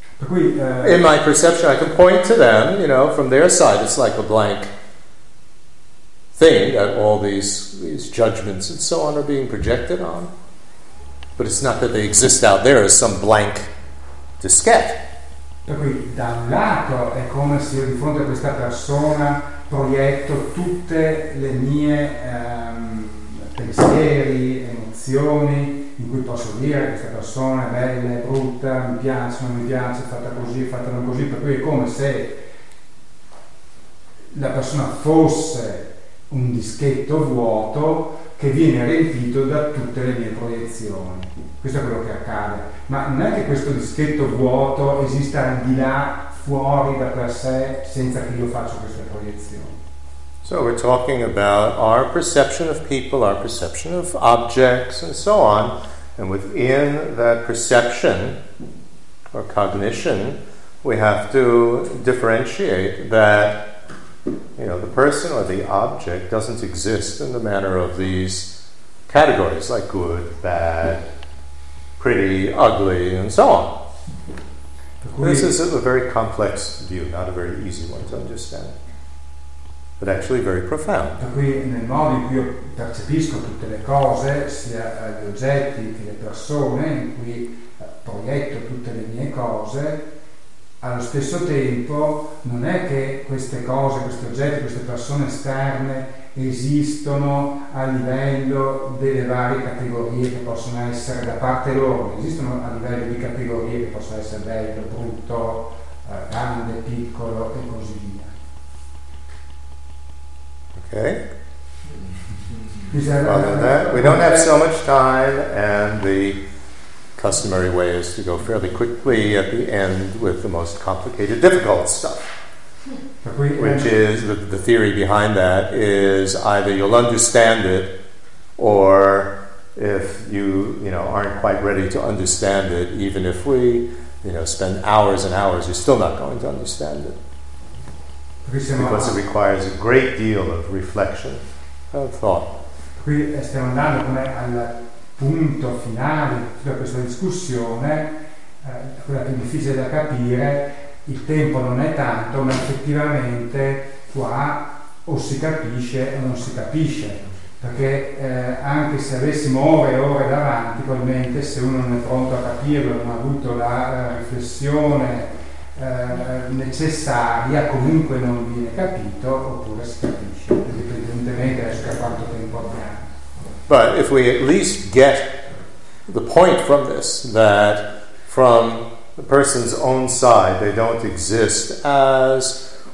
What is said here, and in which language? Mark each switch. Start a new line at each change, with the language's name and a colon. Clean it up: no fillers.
English: Yeah. In my perception, I can point to them, you know, from their side, it's like a blank thing that all these judgments and so on are being projected on. But it's not that they exist out there as some blank diskette.
Italian: Per cui, da un lato, è come se io di fronte a questa persona proietto tutte le mie pensieri, emozioni, in cui posso dire questa persona è bella, è brutta, mi piace, non mi piace, è fatta così, è fatta non così, per cui è come se la persona fosse un dischetto vuoto che viene riempito da tutte le mie proiezioni. Questo è quello che accade. Ma non è che questo dischetto vuoto esista al di là, fuori da per sé, senza che io faccia queste proiezioni.
English: So we're talking about our perception of people, our perception of objects, and so on, and within that perception or cognition, we have to differentiate that, you know, the person or the object doesn't exist in the manner of these categories like good, bad, pretty, ugly, and so on. This is a very complex view, not a very easy one to understand, but actually very profound.
Italian: Per cui nel modo in cui io percepisco tutte le cose, sia gli oggetti che le persone, in cui proietto tutte le mie cose, allo stesso tempo non è che queste cose, questi oggetti, queste persone esterne esistono a livello delle varie categorie che possono essere da parte loro, esistono a livello di categorie che possono essere bello, brutto, grande, piccolo e così via. Ok.
English: We don't have so much time, and the customary way is to go fairly quickly at the end with the most complicated, difficult stuff. Which is, the theory behind that is either you'll understand it, or if you aren't quite ready to understand it, even if we, you know, spend hours and hours, you're still not going to understand it. Because it requires a great deal of reflection and thought.
Italian: Qui stiamo andando come al punto finale di questa discussione, quella più difficile da capire. Il tempo non è tanto, ma effettivamente qua o si capisce o non si capisce, perché anche se avessimo ore e ore davanti, probabilmente se uno non è pronto a capirlo, non ha avuto la riflessione necessaria, comunque non viene capito, oppure si capisce, indipendentemente adesso da quanto tempo abbiamo.
English: But if we at least get the point from this, that from the person's own side, they don't exist as